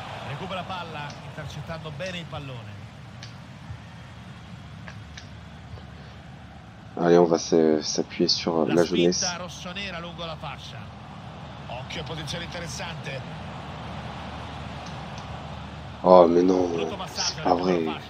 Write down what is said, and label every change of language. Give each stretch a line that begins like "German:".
Italian: Recupera palla intercettando bene il pallone.
French: Allez, on va s'appuyer sur la jeunesse.
Italian: Rossonera lungo la fascia. Occhio potenziale interessante.
French: Oh mais non, c'est pas vrai.